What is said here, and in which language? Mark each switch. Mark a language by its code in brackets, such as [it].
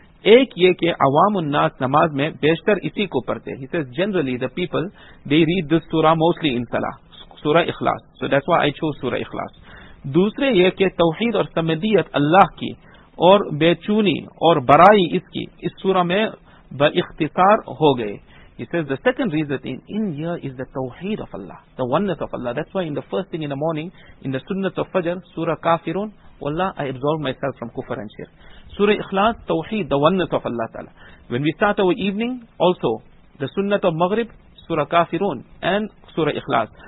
[ur] ایک یہ کہ عوام الناس نماز میں بیشتر اسی کو پڑھتے. [en] He says, generally the people, they read this surah mostly in salah, Surah Ikhlas. So that's why I chose Surah Ikhlas. [ur] دوسرے یہ کہ توحید اور سمدیت اللہ کی اور بیچونی اور برائی اس کی اس surah میں با اختصار ہو گئے. [en] He says the second reason in here is the Tawheed of Allah, the oneness of Allah. That's why in the first thing in the morning, in the Sunnah of Fajr, Surah Kafirun, Wallah, I absolve myself from Kufr and Shirk. Surah Ikhlas, Tawheed, the oneness of Allah Ta'ala. When we start our evening, also, the Sunnah of Maghrib, Surah Kafirun, and Surah Ikhlas.